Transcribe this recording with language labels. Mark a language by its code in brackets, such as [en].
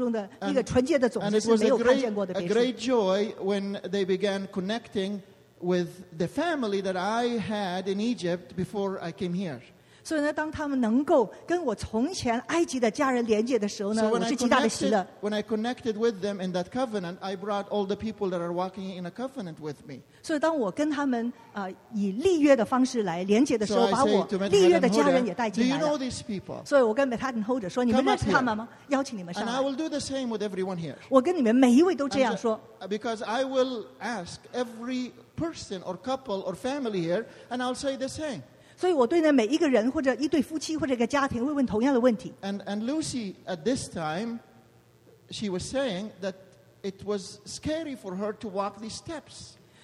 [zh] 我到那列国的当中是看见的在他们当中的一个纯洁的种子是没有看见过的。 [en] A great joy when they began connecting with the family that I had in Egypt before I came here. [zh] 所以呢,当他们能够跟我从前埃及的家人连接的时候呢, [en] so when I connected with them in that covenant, I brought all the people that are walking in a covenant with me. [zh] 所以当我跟他们, 以立约的方式来连接的时候, 把我立约的家人也带进来了。 [en] Do you know these people? [zh] 所以我跟Metadenholder说, 你们认识他们吗?邀请你们上来。 [en] And I will do the same with everyone here. [zh] 我跟你们每一位都这样说。 [en] Because I will ask every person or couple or family here, and I'll say the same. [zh] 所以我对呢每一个人或者一对夫妻或者一个家庭会问同样的问题。 [en] And Lucy at this time, she was saying that it was scary for her to walk these steps.